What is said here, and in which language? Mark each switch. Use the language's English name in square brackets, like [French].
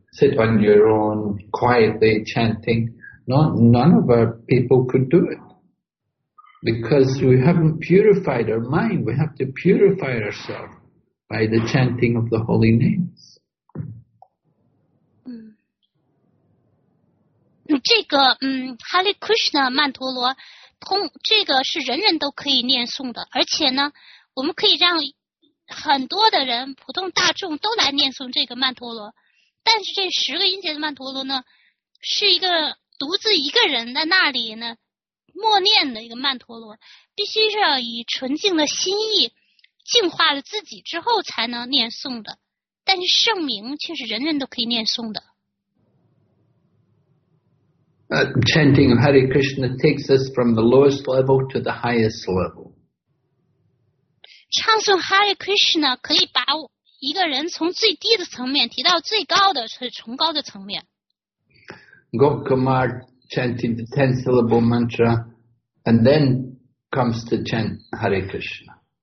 [English] Sit on your own, quietly chanting. None of our people could do it. Because we haven't purified our mind. We have to purify ourselves by the chanting of the holy names. [Chinese] 这个哈利克什纳曼陀罗通，这个是人人都可以念诵的，而且呢我们可以让很多的人，普通大众都来念诵这个曼陀罗，但是这十个音节的曼陀罗呢是一个独自一个人在那里呢默念的一个曼陀罗，必须是要以纯净的心意净化了自己之后才能念诵的，但是圣名却是人人都可以念诵的。 [English] Chanting of Hare Krishna takes us from the lowest level to the highest level. [Chinese] 唱诵 Hare Krishna 可以把一个人从最低的层面提到最高的，是崇高的层面。 [English] Gop Kumar chanting the 10-syllable mantra and then comes to chant Hare Krishna.